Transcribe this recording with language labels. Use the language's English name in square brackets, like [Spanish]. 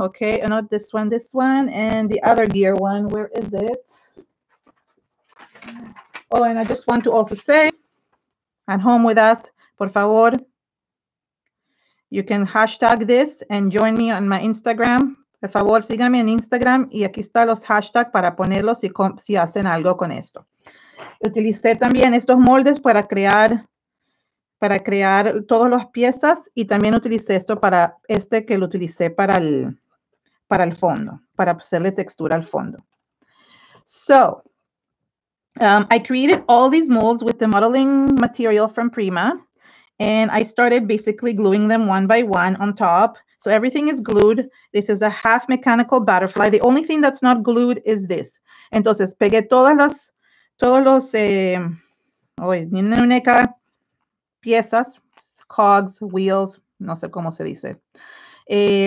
[English] Okay, and not this one, and the other gear one. Where is it? Oh, and I just want to also say, at home with us, [Spanish] por favor. [English] You can hashtag this and join me on my Instagram. [Spanish] Por favor, síganme en Instagram. Y aquí están los hashtags para ponerlos si hacen algo con esto. Utilicé también estos moldes para crear todas las piezas. Y también utilicé esto para este que lo utilicé para el fondo, para hacerle textura al fondo. [English] So, I created all these molds with the modeling material from Prima, and I started basically gluing them one by one on top. So everything is glued. This is a half mechanical butterfly. The only thing that's not glued is this. [Spanish] Entonces, pegué piezas, [English] cogs, wheels, [Spanish] no sé cómo se dice.